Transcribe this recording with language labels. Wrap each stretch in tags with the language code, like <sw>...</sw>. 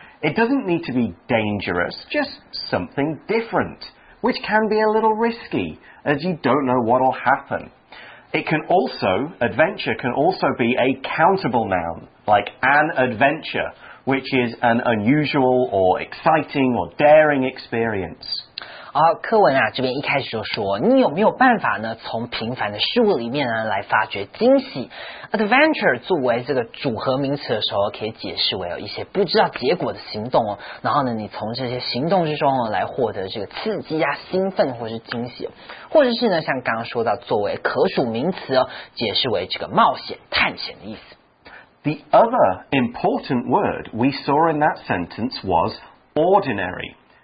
<en>It doesn't need to be dangerous, just something different, which can be a little risky, as you don't know what'll happen. It can also, adventure can also be a countable noun, like an adventure,which is an unusual or exciting or daring experience.</en> <zh>好，课文啊，这边一开始就说，你有没有办法呢？从平凡的事物里面呢，来发掘惊喜。Adventure 作为这个组合名词的时候，可以解释为有一些不知道结果的行动哦。然后呢，你从这些行动之中哦，来获得这个刺激啊、兴奋或是惊喜，或者是呢，像刚刚说到作为可数名词哦，解释为这个冒险、探险的意思。</zh> <en>The other important word we saw in that sentence was ordinary.</en>